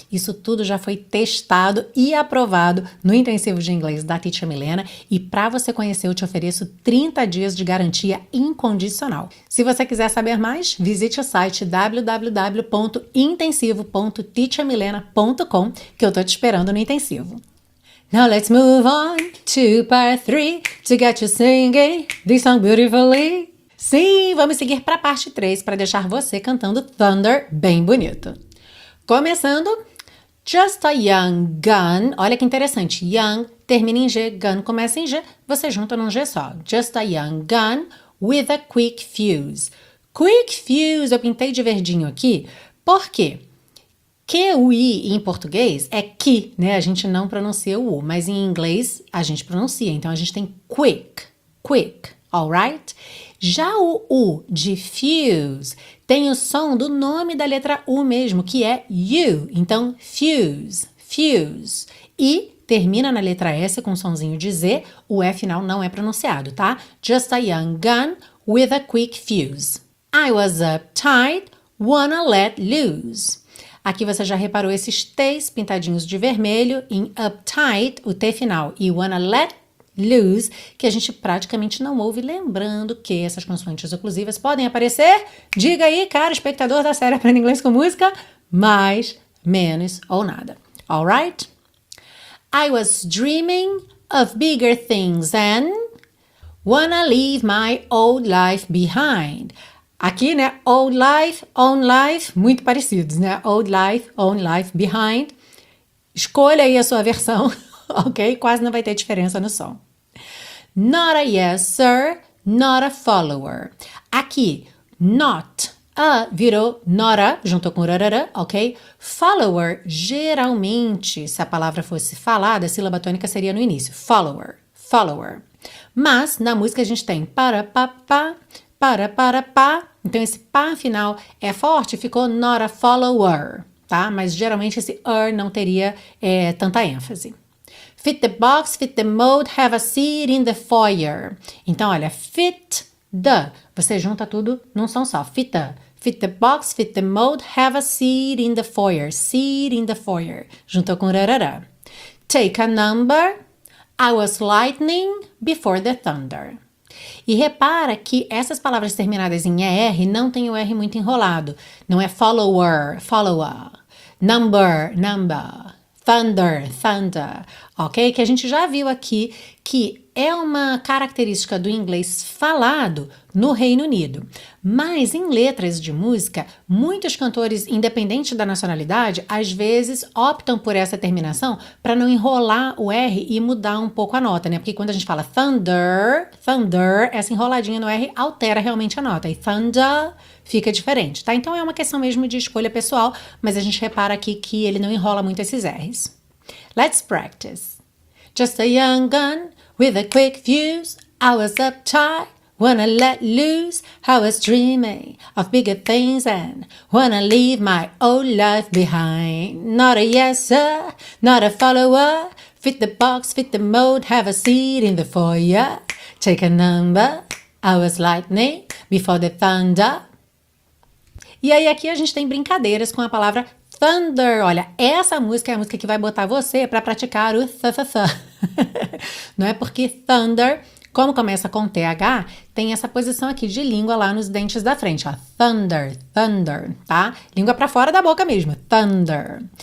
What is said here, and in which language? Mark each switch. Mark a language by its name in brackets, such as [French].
[Portuguese] Isso tudo já foi testado e aprovado no Intensivo de Inglês da Teacher Milena, e para você conhecer, eu te ofereço 30 dias de garantia incondicional. Se você quiser saber mais, visite o site www.intensivo.teachermilena.com, que eu tô te esperando no Intensivo. [English] Now let's move on to part 3 to get you singing this song beautifully. [Portuguese] Sim, vamos seguir para a parte 3 para deixar você cantando Thunder bem bonito. Começando, [English] just a young gun. [Portuguese] Olha que interessante, young termina em G, gun começa em G, você junta num G só. [English] Just a young gun with a quick fuse. [Portuguese] Quick fuse, eu pintei de verdinho aqui, por quê? QI em português é que, né? A gente não pronuncia o U, mas em inglês a gente pronuncia. Então a gente tem quick, quick, alright? Já o U de fuse tem o som do nome da letra U mesmo, que é U. Então fuse, fuse. E termina na letra S com um sonzinho de Z, o E final não é pronunciado, tá? [English] Just a young gun with a quick fuse. I was uptight, wanna let loose. [Portuguese] Aqui você já reparou esses T's pintadinhos de vermelho em uptight, o T final, e wanna let loose, que a gente praticamente não ouve, lembrando que essas consoantes oclusivas podem aparecer, diga aí, caro espectador da série Aprenda Inglês com Música, mais, menos ou nada. [English] Alright? I was dreaming of bigger things and wanna leave my old life behind. [Portuguese] Aqui, né, old life, own life, muito parecidos, né? [English] Old life, own life, behind. [Portuguese] Escolha aí a sua versão, ok? Quase não vai ter diferença no som. [English] Not a yes, sir, not a follower. [Portuguese] Aqui, not a virou not a, juntou com rarara, ok? Follower, geralmente, se a palavra fosse falada, a sílaba tônica seria no início. Follower, follower. Mas, na música, a gente tem para, pa, pa, para, para, pa. Então, esse pá final é forte, ficou not a follower, tá? Mas, geralmente, esse er não teria tanta ênfase. [English] Fit the box, fit the mold, have a seat in the foyer. [Portuguese] Então, olha, fit the, você junta tudo num som só, fit the. [English] Fit the box, fit the mold, have a seat in the foyer, seat in the foyer. [Portuguese] Juntou com rarara. [English] Take a number, I was lightning before the thunder. [Portuguese] E repara que essas palavras terminadas em ER não tem o R muito enrolado. Não é follower, follower, number, number, thunder, thunder. Ok? Que a gente já viu aqui que é uma característica do inglês falado no Reino Unido. Mas em letras de música, muitos cantores, independente da nacionalidade, às vezes optam por essa terminação para não enrolar o R e mudar um pouco a nota, né? Porque quando a gente fala thunder, essa enroladinha no R altera realmente a nota. E thunder fica diferente, tá? Então é uma questão mesmo de escolha pessoal, mas a gente repara aqui que ele não enrola muito esses R's. [English] Let's practice. Just a young gun with a quick fuse. I was uptight, wanna let loose. I was dreaming of bigger things and wanna leave my old life behind. Not a yes sir, not a follower. Fit the box, fit the mold, have a seat in the foyer. Take a number, I was lightning before the thunder. [Portuguese] E aí aqui a gente tem brincadeiras com a palavra thunder. Olha, essa música é a música que vai botar você para praticar o th-th-th. Não é porque thunder, como começa com th, tem essa posição aqui de língua lá nos dentes da frente. Ó. Thunder, tá? Língua para fora da boca mesmo, thunder.